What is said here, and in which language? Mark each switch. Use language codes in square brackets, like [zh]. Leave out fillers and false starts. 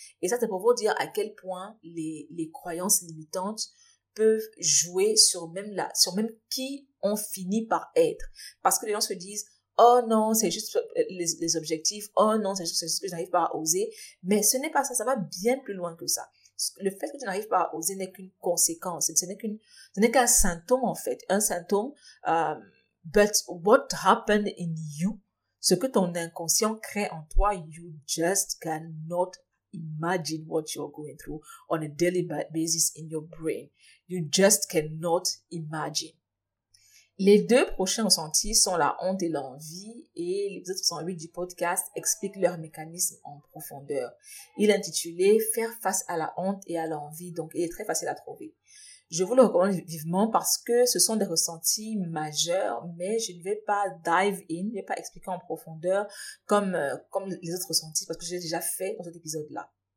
[fr] Et ça, c'est pour vous dire à quel point les croyances limitantes peuvent jouer sur même qui on finit par être. Parce que les gens se disent, oh non, c'est juste les objectifs. Oh non, c'est juste que je n'arrive pas à oser. Mais ce n'est pas ça. Ça va bien plus loin que ça. Le fait que tu n'arrives pas à oser n'est qu'une conséquence. Ce n'est qu'un symptôme, en fait. Un symptôme. [en] But what happened in you, [fr] ce que ton inconscient crée en toi, [en] you just cannot imagine what you're going through on a daily basis in your brain. You just cannot imagine. [fr] Les deux prochains ressentis sont la honte et l'envie et l'épisode 68 du podcast explique leur mécanisme en profondeur. Il est intitulé « Faire face à la honte et à l'envie » donc il est très facile à trouver. Je vous le recommande vivement parce que ce sont des ressentis majeurs, mais je ne vais pas [en] dive in, [fr] je ne vais pas expliquer en profondeur comme les autres ressentis parce que j'ai déjà fait dans cet épisode-là.